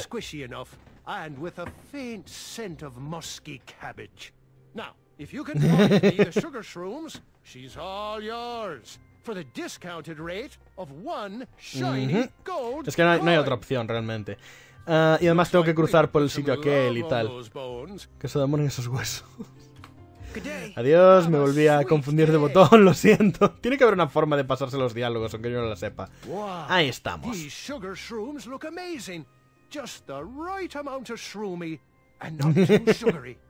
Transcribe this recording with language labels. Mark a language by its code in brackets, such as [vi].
[en] Squishy enough, and with a faint scent of musky cabbage. Now, if you can find me the sugar shrooms, she's all yours for the discounted rate of one shiny gold. [es] Es que no hay otra opción realmente. Y además tengo que cruzar por el sitio aquel y tal. Que se demonen esos huesos. Adiós, me volví a confundir de botón, lo siento. Tiene que haber una forma de pasarse los diálogos, aunque yo no la sepa. Ahí estamos. [en] These sugar shrooms look amazing. Just the right amount of shroomy and not too sugary.